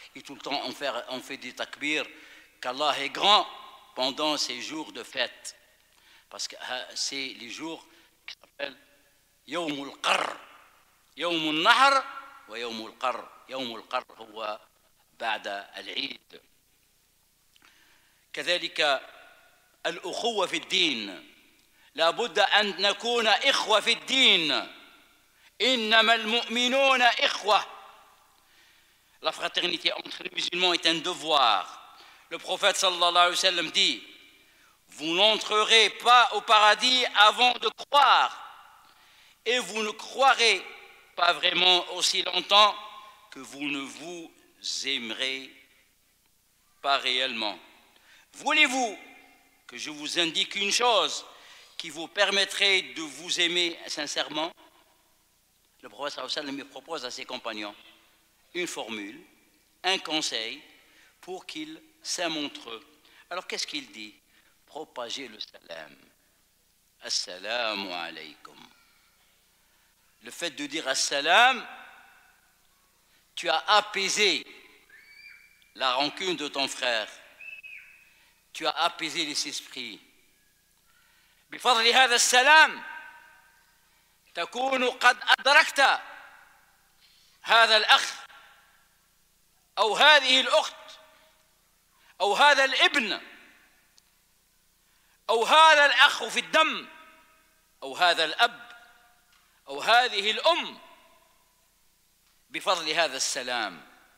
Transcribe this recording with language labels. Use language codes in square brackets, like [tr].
[fr] Et tout le temps on fait des takbirs qu'Allah est grand pendant ces jours de fête. Parce que c'est les jours qui s'appellent Yawmul Qarr, Yawmul Nahr wa Yawmul Qarr. [ar] يومul qarr huwa ba'da al-'id. كذلك الأخوة في الدين لابد أن نكون إخوة في الدين إنما المؤمنون إخوة. [fr] La fraternité entre les musulmans est un devoir. Le prophète sallallahu alayhi wa sallam dit: vous n'entrerez pas au paradis avant de croire, et vous ne croirez pas vraiment aussi longtemps que vous ne vous aimerez pas réellement. Voulez-vous que je vous indique une chose qui vous permettrait de vous aimer sincèrement? Le prophète sallallahu alayhi wa sallam propose à ses compagnons une formule, un conseil pour qu'ils s'aiment entre eux. Alors qu'est-ce qu'il dit? Propagez le salam. Assalamu alaykum. Le fait de dire assalam, tu as apaisé la rancune de ton frère. Tu as apaisé les esprits. [ar] بفضل هذا السلام تكون قد أدركت هذا الأخ أو هذه الأخت أو هذا الإبن أو هذا الأخ في الدم أو هذا الأب أو هذه الأم بفضل هذا السلام.